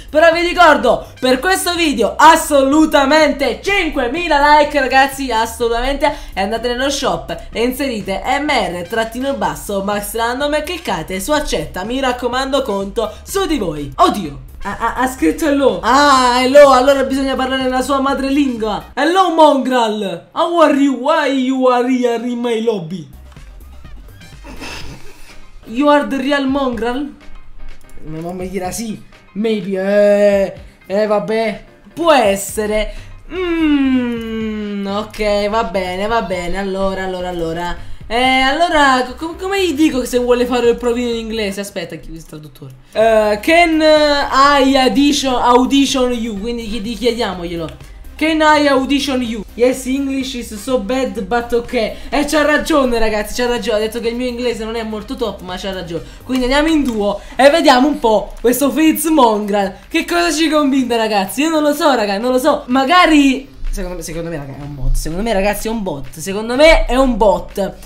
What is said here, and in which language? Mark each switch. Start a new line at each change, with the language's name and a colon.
Italian: Però vi ricordo, per questo video assolutamente 5000 like, ragazzi, assolutamente. E andate nello shop e inserite MR-basso Max Random e cliccate su accetta. Mi raccomando, conto su di voi. Oddio, ha scritto hello. Ah, hello, allora bisogna parlare nella sua madrelingua.
English: Hello Mongrel, how are you? Why you are here in my lobby? You are the real Mongrel?
Italian: Mia mamma dirà sì. Maybe, vabbè. Può essere. Ok, va bene, va bene. Allora allora, come gli dico se vuole fare il provino in inglese? Aspetta, chi è il traduttore?
English: Can I audition you?
Italian: Quindi chiediamoglielo.
English: Can I audition you? Yes, English is so bad, but ok.
Italian: E c'ha ragione, ragazzi, c'ha ragione. Ha detto che il mio inglese non è molto top, ma c'ha ragione. Quindi andiamo in duo e vediamo un po' questo FaZeMongrel. Che cosa ci combina, ragazzi? Io non lo so, ragazzi, non lo so. Magari... Secondo me ragazzi, è un bot. Secondo me, ragazzi, è un bot. Secondo me è un bot.